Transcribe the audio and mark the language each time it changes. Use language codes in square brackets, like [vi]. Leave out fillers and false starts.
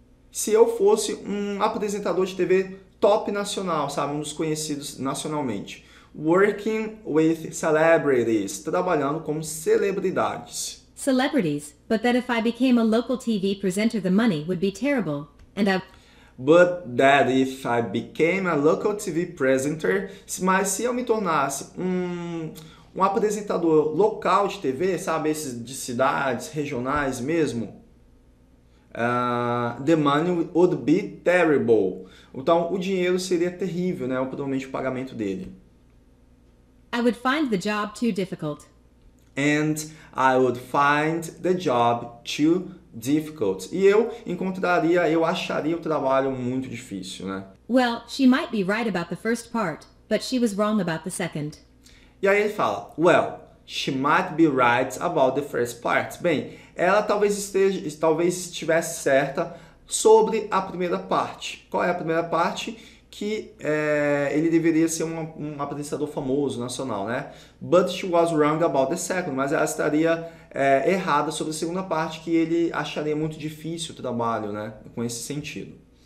[pt] Se eu fosse um apresentador de TV top nacional, sabe, um dos conhecidos nacionalmente. [en] Working with celebrities, [pt] trabalhando com celebridades. [en] Celebrities, but that if I became a local TV presenter, the money would be terrible, and I... But that if I became a local TV presenter, [pt] mas se eu me tornasse um apresentador local de TV, sabe, esses de cidades, regionais mesmo, [en] the money would be terrible. [pt] Então, o dinheiro seria terrível, né, provavelmente o pagamento dele. [en] I would find the job too difficult. And I would find the job too difficult. [pt] E eu acharia o trabalho muito difícil, né? [en] Well, she might be right about the first part, but she was wrong about the second. [pt] E aí ele fala, [en] well, she might be right about the first part. [pt] Bem, ela talvez estivesse certa sobre a primeira parte. Qual é a primeira parte? que ele deveria ser um apresentador famoso, nacional, né? [en] But she was wrong about the second, [pt] mas ela estaria errada sobre a segunda parte, que ele acharia muito difícil o trabalho, né? Com esse sentido.